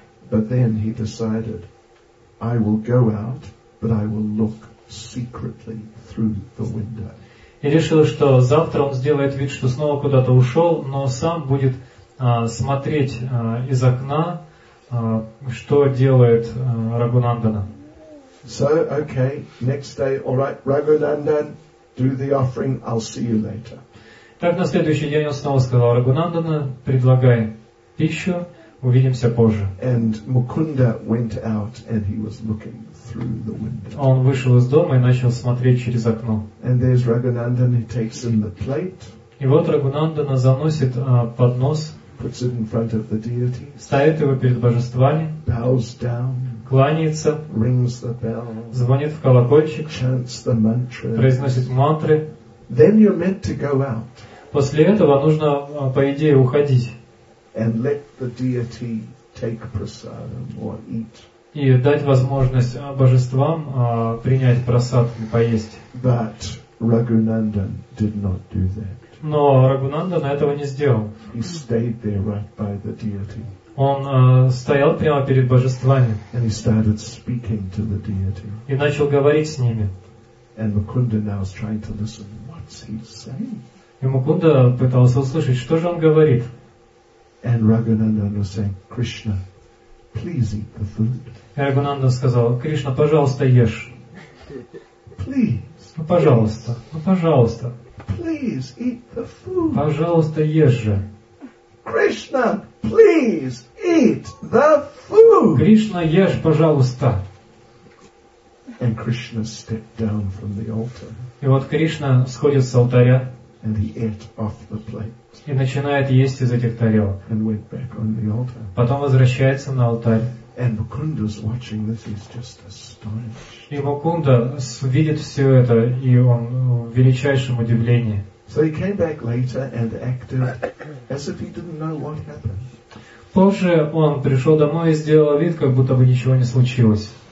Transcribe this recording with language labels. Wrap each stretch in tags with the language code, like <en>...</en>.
<en>But then he decided, I will go out, but I will look secretly through the window.</en> <ru>И решил, что завтра он сделает вид, что снова куда-то ушел, но сам будет смотреть из окна, что делает Рагунандана.</ru> <en>So, okay, next day, all right, Raghunandan, do the offering, I'll see you later.</en> <ru>Так на следующий день он снова сказал Рагунандана, предлагай пищу, увидимся позже.</ru> <en>And Mukunda went out and he was looking through the window.</en> <ru>Он вышел из дома и начал смотреть через окно.</ru> <en>And there's Raghunandan, he takes in the plate.</en> <ru>И вот Рагунандана заносит поднос.</ru> <en>Puts it in front of the deity.</en> <ru>Ставит его перед божествами.</ru> <en>Bows down.</en> <ru>Кланяется.</ru> <en>Rings the bell.</en> <ru>Звонит в колокольчик.</ru> <en>Chants the mantra.</en> <ru>Произносит мантры.</ru> <en>Then you're meant to go out.</en> <ru>После этого нужно, по идее, уходить.</ru> <en>And let the deity take prasad or eat.</en> <ru>И дать возможность божествам принять прасад и поесть.</ru> <en>But Raghunandan did not do that.</en> <ru>Но Рагунандан этого не сделал.</ru> <en>He stayed there right by the deity.</en> <ru>Он стоял прямо перед божествами.</ru> <en>And he started speaking to the deity.</en> <ru>И начал говорить с ними.</ru> <en>And Mukunda now is trying to listen. What's he saying?</en> <ru>И Мукунда пытался услышать, что же он говорит.</ru> <en>And Raghunandan was saying, Krishna, please eat the food.</en> <ru>И Рагунандан сказал, Кришна, пожалуйста, ешь.</ru> <en>Please.</en> <ru>Ну, пожалуйста. Ну, пожалуйста.</ru> <en>Please eat the food.</en> <ru>Пожалуйста, ешь же.</ru> <en>Krishna, please eat the food.</en> <ru>Кришна, ешь, пожалуйста.</ru> <en>And Krishna stepped down from the altar.</en> <ru>И вот Кришна сходит с алтаря.</ru> <en>And he ate off the plate.</en> <ru>И начинает есть из этих тарелок.</ru> <en>And went back on the altar.</en> <ru>Потом возвращается на алтарь.</ru> <en>And Mukunda's watching this, he's just astonished.</en> <ru>И Мукунда видит все это, и он в величайшем удивлении.</ru> <en>So he came back later and acted as if he didn't know what happened.</en> <ru>Позже он пришел домой и сделал вид, как будто бы ничего не случилось.</ru>